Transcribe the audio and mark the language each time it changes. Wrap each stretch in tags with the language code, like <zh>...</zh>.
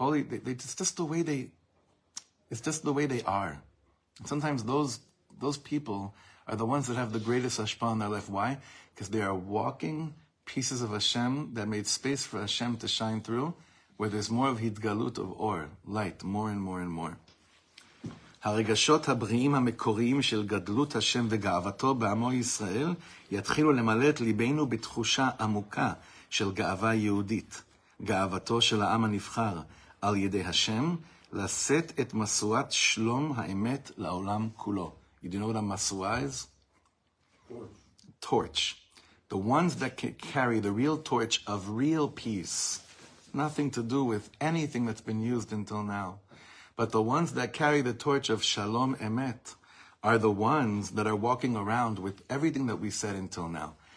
<en>It's just the way they are. Sometimes those people are the ones that have the greatest hashpah in their life. Why? Because they are walking pieces of Hashem that made space for Hashem to shine through, where there's more of hidgalut of or, light, more and more and more.</en> <he>הרגשות הבריאים המקוריים של גדלות השם וגאוותו בעמו ישראל יתחילו למלא את ליבנו בתחושה עמוקה של גאווה יהודית, גאוותו של העם הנבחר על ידי השם, לשאת את מסועת שלום האמת לעולם כולו.</he> <en>You know what a masua is? Torch. The ones that can carry the real torch of real peace. Nothing to do with anything that's been used until now. But the ones that carry the torch of Shalom Emet are the ones that are walking around with everything that we said until now.</en>